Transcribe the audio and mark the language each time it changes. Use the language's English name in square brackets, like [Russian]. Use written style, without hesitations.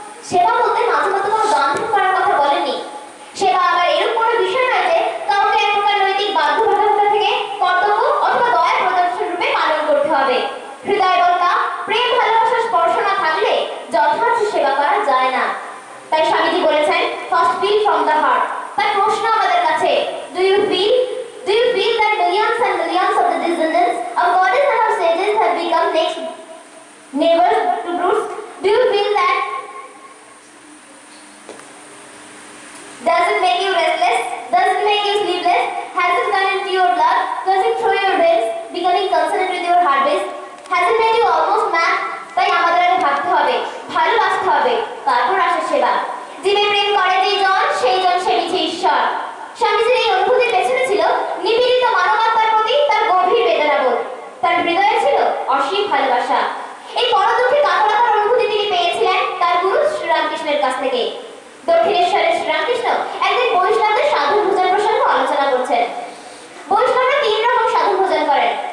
[Bangla] সেবা বলতে মাঝে মধ্যে কোনো দ্বন্দ্ব করার কথা বলেনি সেবা আবার এরকম কোনো বিষয় নয় যে কাউকে এক প্রকার নৈতিক বাধ্যবাধকতা থেকে কর্তব্য অথবা দয়া প্রদর্শন রূপে পালন করতে হবে হৃদয় বলতা প্রেম ভালোবাসা স্পর্শ না থাকলে যথার্থ সেবা করা যায় না তাই স্বামীজি বলেছেন [English] first feel from the heart [Bangla] তাই প্রশ্ন আমাদের কাছে [English] Do you feel that millions and millions of the descendants of gods of our sages have become next neighbour to brutes do you feel that Does it make you restless? Does it make you sleepless? Has it gone into your blood, coursing through your veins, becoming concerned with your heart base? Has it made you almost mad? [Bangla] তাই আমাদের ভাবতে হবে ভালোবাসতে হবে তারপর আসে সেবা জীবে প্রেম করে যে জন সেই জন সে মিছে ঈশ্বর স্বামীজির এই অনুভূতি পেছনে ছিল নিবেদিত মানবতার প্রতি তার গভীর বেদনা বোধ তার হৃদয়ে ছিল অসীম ভালোবাসা এই পরদুঃখে কাতরতার অনুভূতি তিনি পেয়েছিলেন তার গুরু শ্রীরামকৃষ্ণের কাছ থেকে দক্ষিণেশ্বরের শ্রীরামকৃষ্ণ একদিন বৈষ্ণবদের সাধু ভোজন প্রসঙ্গে আলোচনা করছেন বৈষ্ণবরা তিন রকম সাধু ভোজন করেন